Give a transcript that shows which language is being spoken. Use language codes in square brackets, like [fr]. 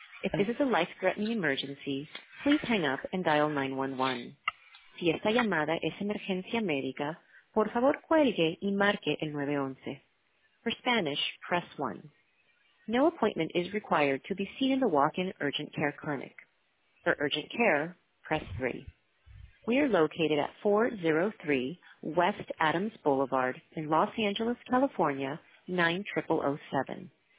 [en] If this is a life-threatening emergency, please hang up and dial 911. [es] Si esta llamada es emergencia médica, por favor cuelgue y marque el 911. [en] For Spanish, press 1. No appointment is required to be seen in the walk-in urgent care clinic. For urgent care, press 3. We are located at 403 West Adams Boulevard in Los Angeles, California, 90007.